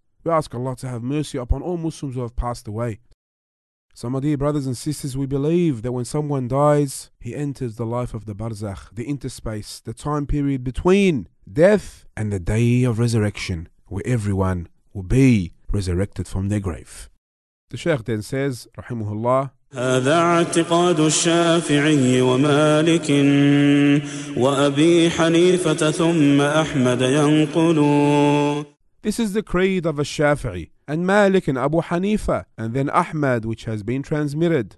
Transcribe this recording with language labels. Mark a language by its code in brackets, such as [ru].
[en] We ask Allah to have mercy upon all Muslims who have passed away. So my dear brothers and sisters, we believe that when someone dies, he enters the life of the barzakh, the interspace, the time period between death and the day of resurrection, where everyone will be resurrected from their grave. The Shaykh then says, Rahimuhullah, [ar] هذا اعتقاد الشافعي ومالك وأبي حنيفة ثم أحمد ينقل. [en] This is the creed of al-Shafi'i and Malik and Abu Hanifa and then Ahmad, which has been transmitted.